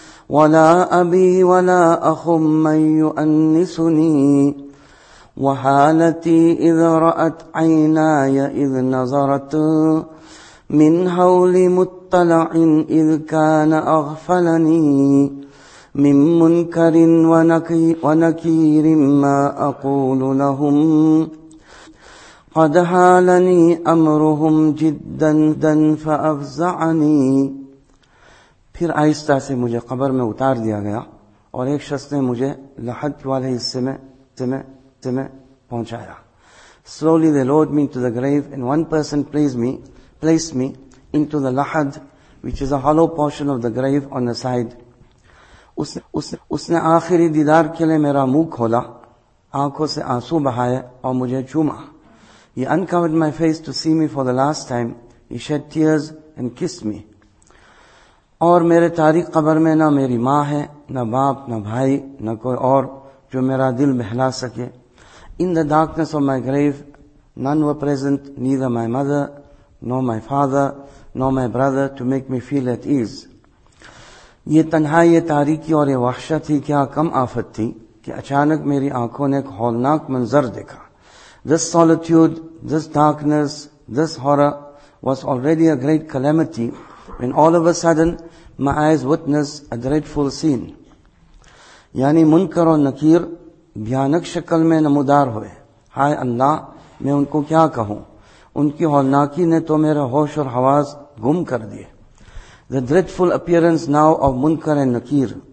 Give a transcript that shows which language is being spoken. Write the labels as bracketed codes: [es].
[ar] وَلَا أَبِي وَلَا أَخٌ مَّن يُؤَنِّسُنِي وحالتي إذ رأت عيناي إذ نظرت من هول مطلع إذ كان أغفلني من منكر ونكير ما أقول لهم قد حالني امرهم جدا دن فافزعني. [ur] پھر آہستہ سے مجھے قبر میں اتار دیا گیا اور ایک شخص نے مجھے لحد والے حصے میں سمے پہنچایا. [en] Slowly they lowered me into the grave and one person placed me into the lahad, which is a hollow portion of the grave on the side. [ur] اس نے آخری دیدار کے لئے میرا منہ کھولا, آنکھوں سے آنسو بہائے اور مجھے چوما. [en] He uncovered my face to see me for the last time. He shed tears and kissed me. [ur] اور میرے تاریخ قبر میں نہ میری ماں ہے, نہ باپ, نہ بھائی, نہ کوئی اور جو میرا دل بہلا سکے. [en] In the darkness of my grave, none were present, neither my mother, nor my father, nor my brother, to make me feel at ease. [ur] یہ تنہائی, یہ تاریکی اور یہ وحشت ہی کیا کم آفت تھی کہ اچانک میری آنکھوں نے ایک ہولناک منظر دیکھا. [en] This solitude, this darkness, this horror was already a great calamity when all of a sudden my eyes witnessed a dreadful scene. [ur] یعنی منکر اور نکیر بھیانک شکل میں نمودار ہوئے. ہائے اللہ, میں ان کو کیا کہوں, ان کی ہولناکی نے تو میرا ہوش اور حواس گم کر دیے. [en] The dreadful appearance now of Munkar and Nakir.